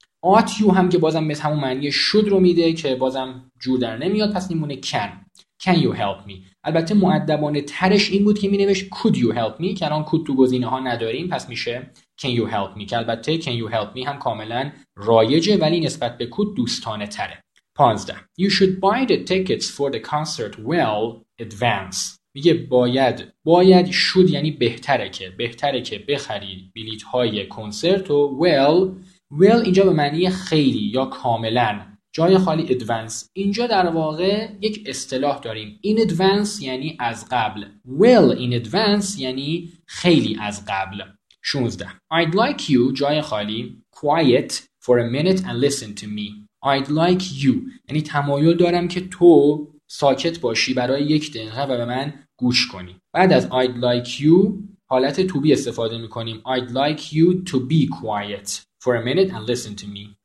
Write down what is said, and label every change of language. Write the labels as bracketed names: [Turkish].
[Persian] ought you هم که بازم مثل همون معنی should رو میده که بازم جور در نمیاد، پس میمونه [English] can you help me. [Persian] البته مؤدبانه ترش این بود که مینوشت [English] could you help me، [Persian] که الان could تو گزینه ها نداریم، پس میشه [English] can you help me، [Persian] که البته can you help me هم کاملا رایجه ولی نسبت به could دوستانه تره. 15. [English] You should buy the tickets for the concert well advance. [Persian] میگه باید should یعنی بهتره که بخرید بلیط های کنسرت رو. well اینجا به معنی خیلی یا کاملا، جای خالی advance. اینجا در واقع یک اصطلاح داریم، in advance یعنی از قبل، well in advance یعنی خیلی از قبل. 16. [English] I'd like you جای خالی quiet for a minute and listen to me. I'd like you [Persian] یعنی تمایل دارم که تو ساکت باشی برای یک دقیقه و به من گوش کنی. بعد از I'd like you حالت to be استفاده میکنیم. [English] I'd like you to be quiet for a minute and listen to me.